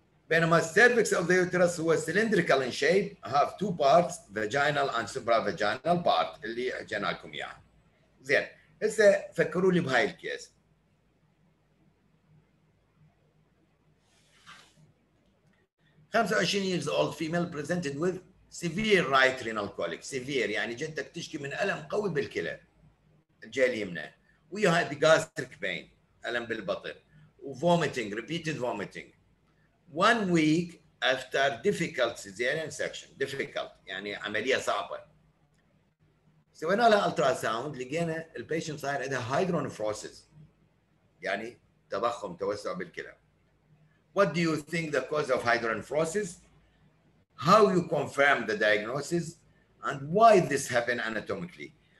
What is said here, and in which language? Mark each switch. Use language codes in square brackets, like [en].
[en] بينما cervix of the uterus هو cylindrical in shape have two parts vaginal and supravaginal part [ar] اللي حكينا لكم اياها. زين هسه فكروا لي بهاي الكيس. خمسة وعشرين [en] years old female presented with severe right renal colic. [ar] Severe يعني جدك تشكي من ألم قوي بالكلى الجهة اليمنى وياها [en] gastric pain [ar] ألم بالبطن وvomiting [en] repeated vomiting. One week after difficult cesarean section. [ar] Difficult يعني عملية صعبة. سوينا لها ultrasound لقينا البيشن صاير عندها hydronephrosis يعني تضخم توسع بالكلى. [en] What do you think the cause of hydronephrosis? How you confirm the diagnosis and why this happened anatomically?